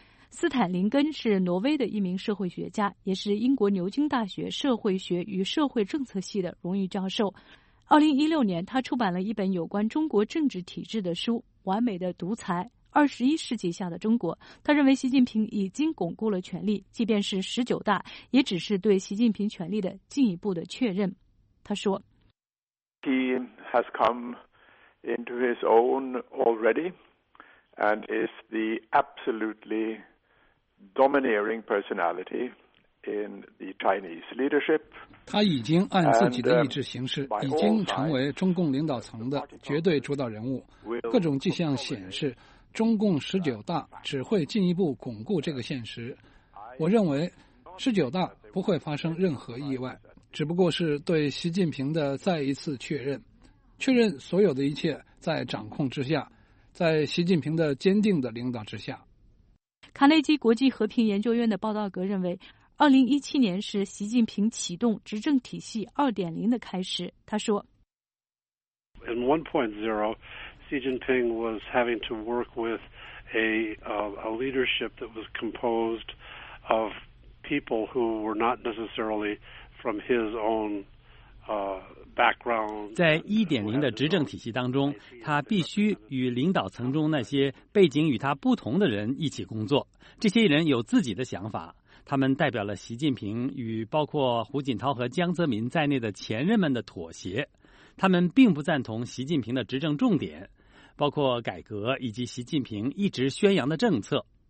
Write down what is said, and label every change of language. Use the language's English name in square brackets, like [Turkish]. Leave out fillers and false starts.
[Chinese] 斯坦林根是挪威的一名社会学家，也是英国牛津大学社会学与社会政策系的荣誉教授。 2016年，他出版了一本有关中国政治体制的书《完美的独裁》。 21世纪下的中国。他认为习近平已经巩固了权力，即便是十九大也只是对习近平权力的进一步的确认。他说 [English] He has come into his own already and is the absolutely domineering personality in the Chinese leadership. [Chinese] 他已经按自己的意志行事，已经成为中共领导层的绝对主导人物。各种迹象显示，中共十九大只会进一步巩固这个现实。我认为，十九大不会发生任何意外，只不过是对习近平的再一次确认，确认所有的一切在掌控之下，在习近平的坚定的领导之下。卡内基国际和平研究院的报道格认为，2017年是习近平启动执政体系 2.0 的开始。他说 [English] In 1.0, Xi Jinping was having to work with a leadership that was composed of people who were not necessarily from his own background. [Chinese] 在 1.0 的执政体系当中，他必须与领导层中那些背景与他不同的人一起工作，这些人有自己的想法，他们代表了习近平与包括胡锦涛和江泽民在内的前任们的妥协。他们并不赞同习近平的执政重点，包括改革以及习近平一直宣扬的政策。